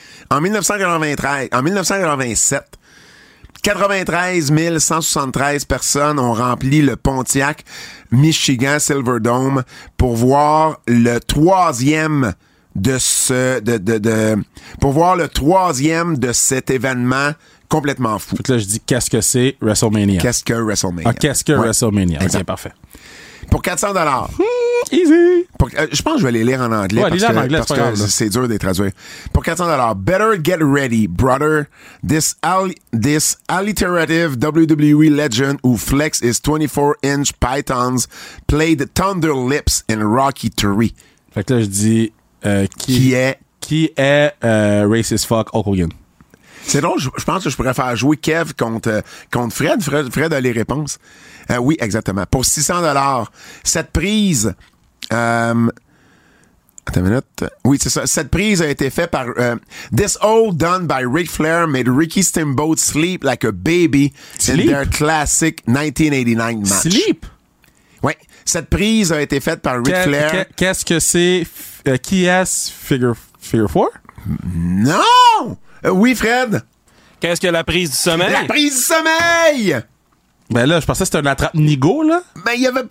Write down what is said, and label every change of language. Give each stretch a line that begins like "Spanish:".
French: En 1987, 93 173 personnes ont rempli le Pontiac Michigan Silver Dome pour voir le troisième de ce pour voir le troisième de cet événement complètement fou. Là, je dis qu'est-ce que c'est WrestleMania. Qu'est-ce que WrestleMania? Ah, qu'est-ce que WrestleMania? Ok, parfait. pour 400$.
English: Easy.
French: Je pense que je vais les lire en anglais ouais, parce en anglais, parce que c'est dur de les traduire. Pour 400$,
English: better get ready, brother. This alliterative WWE legend who flex his 24-inch pythons played Thunder Lips in Rocky 3.
French: Fait que là, je dis qui est
English: racist fuck
French: Hulk Hogan. C'est drôle, je pense que je pourrais faire jouer Kev contre Fred. Fred a les réponses. Oui, exactement. Pour 600$, cette prise... attends une minute. Oui, c'est ça. Cette prise a été faite par...
English: This hole done by Ric Flair made Ricky Steamboat sleep like a baby in their classic 1989 match. Sleep?
French: Oui. Cette prise a été faite par Ric Flair. Qu'est-ce que c'est? Qui est-ce? Figure 4? Non! Oui, Fred? Qu'est-ce que la prise du sommeil? La prise du sommeil! Ben là, je pensais que c'était un attrape nigo là. Ben, il y avait...